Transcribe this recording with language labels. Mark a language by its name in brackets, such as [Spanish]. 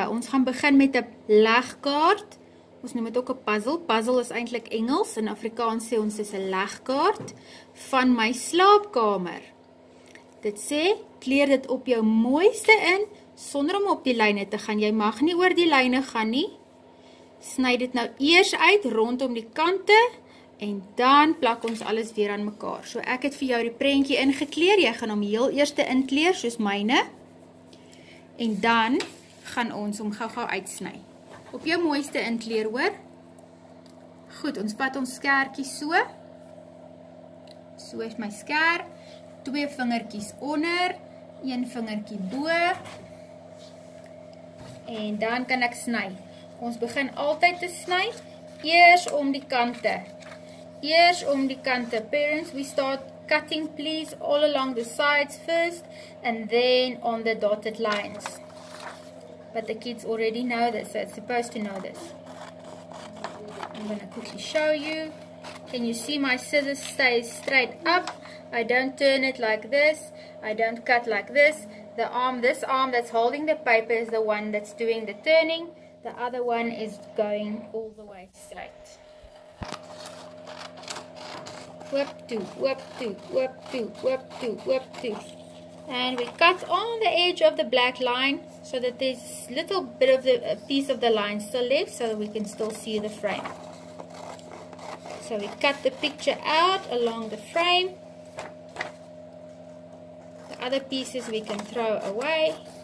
[Afrikaans] Ons gaan begin met 'n legkaart. Ons noem dit ook 'n puzzle. Puzzle is eintlik Engels, in Afrikaans sê ons dis 'n legkaart van my slaapkamer. Dit sê, kleur dit op jou mooiste in, sonder om op die lyne te gaan. Jy mag nie oor die lyne gaan nie. Sny dit nou eers uit rondom die kante. En dan plak ons alles weer aan mekaar. So ek het vir jou die prentjie ingekleer. Jy gaan hom heel eerste inkleer soos myne. En dan gaan ons hom gou-gou uitsny. Op jou mooiste inkleer hoor. Goed, ons vat ons skertjie so. So is my skert. Twee vingertjies onder, een vingertjie bo. En dan kan ek sny. Ons begin altyd te sny eers om die kante. Eers om die kante. [English] Parents, we start cutting please all along the sides first and then on the dotted lines. But the kids already know this, so it's supposed to know this. I'm going to quickly show you. Can you see my scissors stays straight up? I don't turn it like this. I don't cut like this. The arm, this arm that's holding the paper is the one that's doing the turning. The other one is going all the way straight. [Afrikaans] Oop toe, oop toe, oop toe, oop toe, oop toe. [English] And we cut on the edge of the black line so that there's little bit of the piece of the line still left so that we can still see the frame. So we cut the picture out along the frame. The other pieces we can throw away.